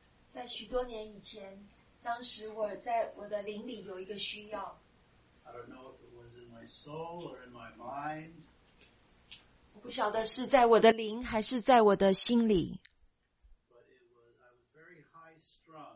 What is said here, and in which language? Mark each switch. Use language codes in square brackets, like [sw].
[zh] 在许多年以前, 当时我在我的灵里有一个需要。 [en] I don't know if it was in my soul or in my mind. [zh] 我不晓得是在我的灵还是在我的心里。 [en] But it was, I was very high strung.